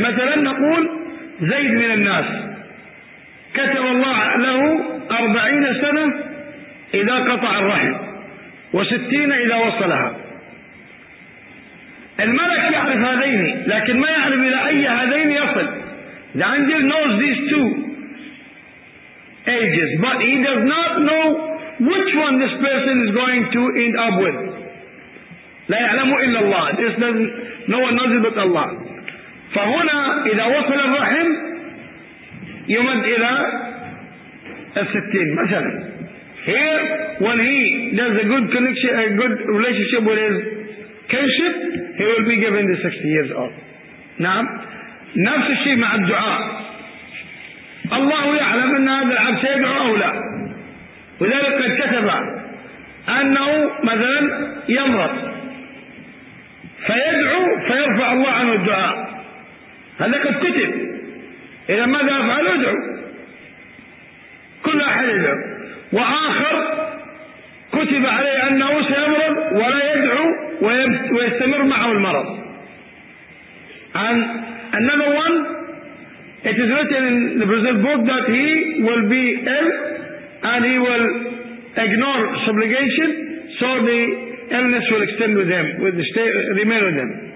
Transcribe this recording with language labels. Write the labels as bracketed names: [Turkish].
[Arabic] مثلا نقول زيد من الناس كتب الله له 40 سنة إذا قطع الرحم, و60 إذا وصلها. الملك يعرف هذين لكن ما يعرف إلى أي هذين يصل. [English] The angel knows these two ages but he does not know which one this person is going to end up with. [Arabic] لا يعلم إلا الله. [English] This doesn't, no one knows but Allah. [Arabic] فهنا إذا وصل الرحم يمد إلى 60 مثلا. [English] Here when he does a good connection, a good relationship with his kinship, he will be given the 60 years old. [Arabic] نعم, نفس الشيء مع الدعاء. الله يعلم أن هذا العبد سيدعو أو لا, وذلك قد كتب أنه مثلا يمرض فيدعو فيرفع الله عنه الدعاء. هذا قد كتب, إذا ماذا أفعل؟ أدعو. كل أحد يدعو. وآخر كتب عليه أنه سيمرض ولا يدعو ويستمر معه المرض. [English] And another one, it is written in the Brazil book that he will be ill and he will ignore supplication, so the illness will extend with him, with the stay, remain with him.